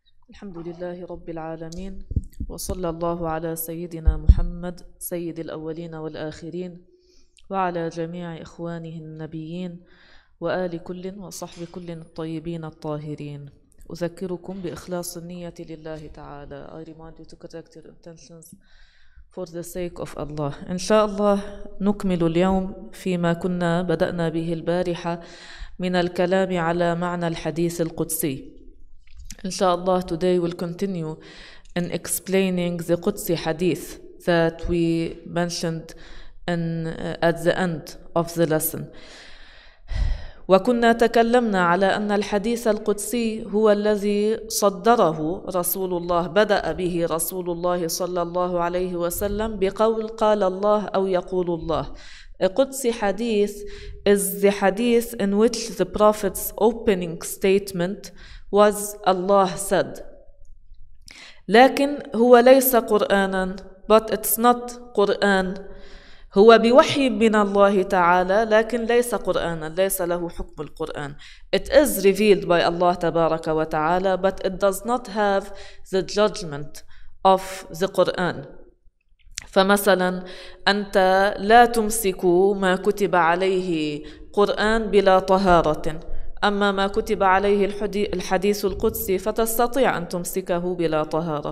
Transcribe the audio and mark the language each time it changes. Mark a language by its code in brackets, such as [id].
[ar] الحمد لله رب العالمين وصلى الله على سيدنا محمد سيد الأولين والآخرين وعلى جميع إخوانه النبيين وآل كل وصحب كل الطيبين الطاهرين أذكركم بإخلاص النية لله تعالى. [en] I remind you to correct your intentions for the sake of Allah. [ar] Inshallah, نكمل اليوم فيما كنا بدأنا به البارحة من الكلام على معنى الحديث القدسي. [en] Inshallah, today we'll continue in explaining the Qudsi hadith that we mentioned at the end of the lesson. [ar] وكنا تكلمنا على أن الحديث القدسي هو الذي صدره رسول الله بدأ به رسول الله صلى الله عليه وسلم بقول قال الله أو يقول الله. [en] A Qudsi hadith is the hadith in which the Prophet's opening statement was Allah said. [ar] لكن هو ليس قرآنا, [en] but it's not Quran. [ar] هو بوحي من الله تعالى لكن ليس قرآنا, ليس له حكم القرآن. [en] It is revealed by Allah [ar] تبارك وتعالى, [en] but it does not have the judgment of the Quran. [ar] فمثلا أنت لا تمسك ما كتب عليه قرآن بلا طهارة, أما ما كتب عليه الحديث القدسي فتستطيع أن تمسكه بلا طهارة.